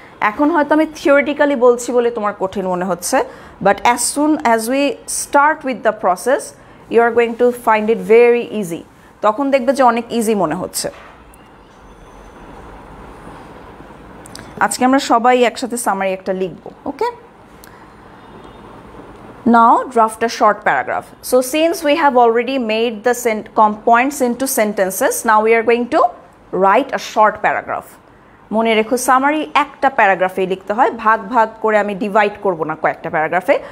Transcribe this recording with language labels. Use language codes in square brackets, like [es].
[bn] এখন হয়তো আমি থিওরিটিক্যালি বলছি বলে তোমার কঠিন মনে হচ্ছে, [en] but as soon as we start with the process you are going to find it very easy, [bn] তখন দেখবে যে অনেক ইজি মনে হচ্ছে। আজকে আমরা সবাই একসাথে সামারি একটা লিখবো, ওকে। [en] Now draft a short paragraph. So since we have already made the points into sentences, now we are going to write a short paragraph. [bn] মনে রেখো সামারি একটা প্যারাগ্রাফে লিখতে হয়, ভাগ ভাগ করে আমি ডিভাইড করব না কয়েকটা প্যারাগ্রাফে।